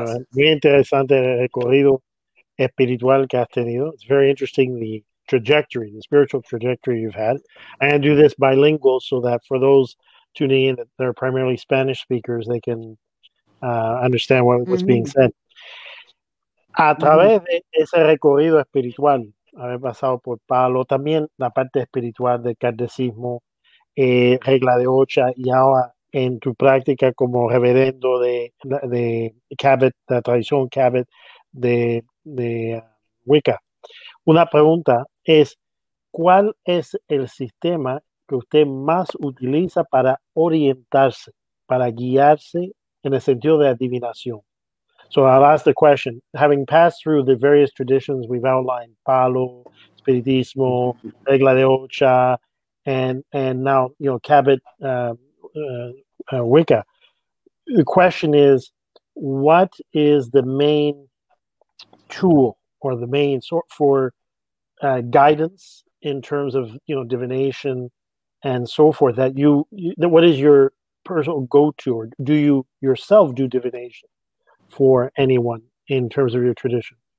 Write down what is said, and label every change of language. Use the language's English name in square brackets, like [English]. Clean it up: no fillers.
[Spanish] Muy interesante el recorrido espiritual que has tenido. [English] It's very interesting, the spiritual trajectory you've had. I'm going to do this bilingual so that for those tuning in that are primarily Spanish speakers, they can understand what's mm-hmm. being said. [Spanish] A través [English] mm-hmm. [Spanish] de ese recorrido espiritual, haber pasado por Palo, también la parte espiritual del cardecismo, regla de ocha, y ahora en tu práctica como reverendo de Cabot, la tradición Cabot de Wicca. Una pregunta es, ¿cuál es el sistema que usted más utiliza para orientarse, para guiarse en el sentido de adivinación? [English] So I'll ask the question. Having passed through the various traditions we've outlined, Palo, Espiritismo, Regla de Ocha, and now, Cabot, Wicca, the question is, what is the main tool or the main sort for guidance in terms of divination and so forth, that what is your personal go-to, or do you yourself do divination for anyone in terms of your tradition?